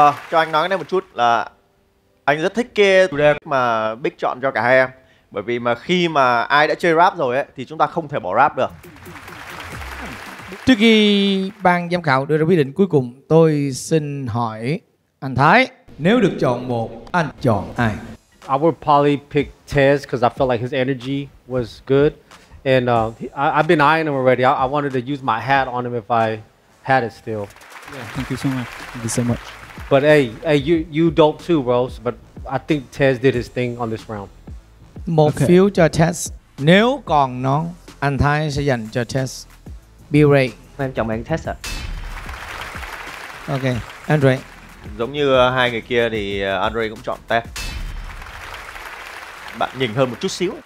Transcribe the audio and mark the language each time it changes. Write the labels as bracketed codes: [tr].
[vi] Cho anh nói cái này một chút là anh rất thích cái chủ đề mà Big chọn cho cả hai em. Bởi vì mà khi mà ai đã chơi rap rồi ấy, thì chúng ta không thể bỏ rap được. Trước khi ban giám khảo đưa ra quyết định cuối cùng, tôi xin hỏi anh Thái, nếu được chọn một, anh chọn ai? [en] I would probably pick Tez because I felt like his energy was good, and I've been eyeing him already. I wanted to use my hat on him if I had it still. Yeah, thank you so much. Thank you so much. But hey, you don't too, bro. But I think Tez did his thing on this round. [vi] Một okay. Phiếu cho Tez. Nếu còn nón, anh Thái sẽ dành cho Tez. Bill Ray. Em chọn bạn Tess ạ. Ok, Andre. Giống như hai người kia thì Andre cũng chọn Tess. Bạn nhìn hơn một chút xíu.